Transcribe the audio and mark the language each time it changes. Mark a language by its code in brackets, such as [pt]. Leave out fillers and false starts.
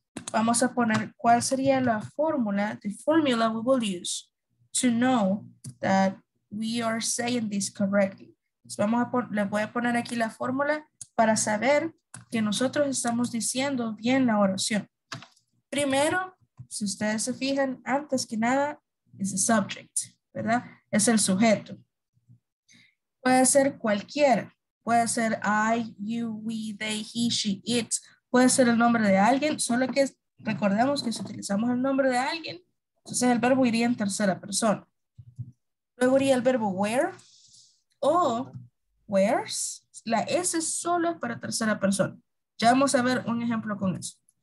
[es] Vamos a poner cuál sería la fórmula, [en] the formula we will use to know that we are saying this correctly. [es] Entonces vamos a les voy a poner aquí la fórmula para saber que nosotros estamos diciendo bien la oración. Primero, si ustedes se fijan, antes que nada, es el subject, ¿verdad? Es el sujeto. Puede ser cualquiera. Puede ser I, you, we, they, he, she, it. Puede ser el nombre de alguien, solo que recordemos que si utilizamos el nombre de alguien, entonces el verbo iría en tercera persona. Luego iría el verbo where o where's. La S solo es para tercera persona. Ya vamos a ver un ejemplo con eso.